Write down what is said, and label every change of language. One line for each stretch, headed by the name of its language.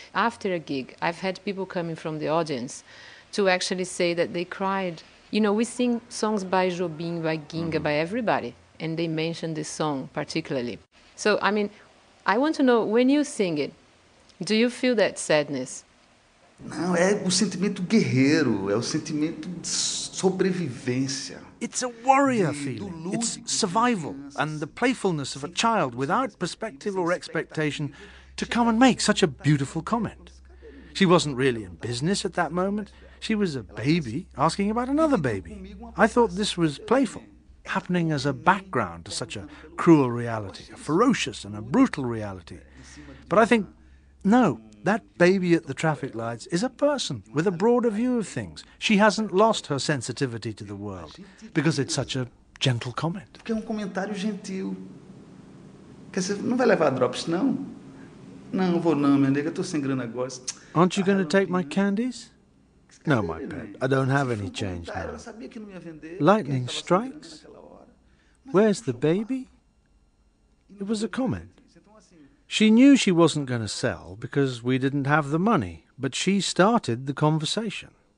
English: After a gig, I've had people coming from the audience to actually say that they cried. You know, we sing songs by Jobim, by Ginga, by everybody. and they mention this song particularly. So, I mean, I want to know, when you sing it, do you feel that sadness?
Portuguese: Não, é o sentimento guerreiro, é o sentimento de sobrevivência.
English: It's a warrior feeling. It's survival and the playfulness of a child without perspective or expectation to come and make such a beautiful comment. She wasn't really in business at that moment. She was a baby asking about another baby. I thought this was playful, happening as a background to such a cruel reality, a ferocious and a brutal reality. But I think, no, that baby at the traffic lights is a person with a broader view of things. She hasn't lost her sensitivity to the world because it's such a gentle comment.
Portuguese: Porque é comentário gentil. Quer dizer, não vai levar drops, não? Não, vou não, minha nega, tô sem grana agora.
English: Aren't you going to take my candies? No, my pet, I don't have any change now. Lightning strikes? Where's the baby? It was a comment. She knew she wasn't going to sell because we didn't have the money, but she started the conversation.